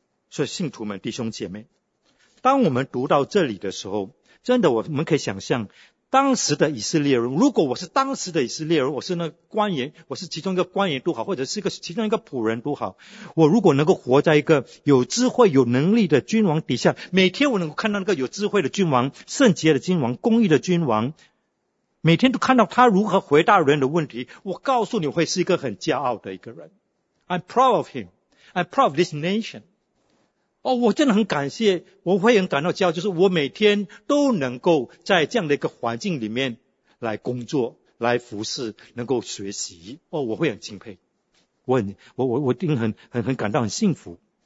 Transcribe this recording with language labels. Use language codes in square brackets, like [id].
[zh] 所以信徒们弟兄姐妹，当我们读到这里的时候，真的我们可以想象当时的以色列人，如果我是当时的以色列人，我是那官员，我是其中一个官员都好，或者是个其中一个仆人都好，我如果能够活在一个有智慧有能力的君王底下，每天我能够看到那个有智慧的君王，圣洁的君王，公义的君王，每天都看到他如何回答人的问题，我告诉你会是一个很骄傲的一个人。 [en] I'm proud of him, I'm proud of this nation。 [zh] 哦，我真的很感谢，我会很感到骄傲，就是我每天都能够在这样的一个环境里面来工作，来服侍，能够学习。哦，我会很敬佩，我一定很感到很幸福。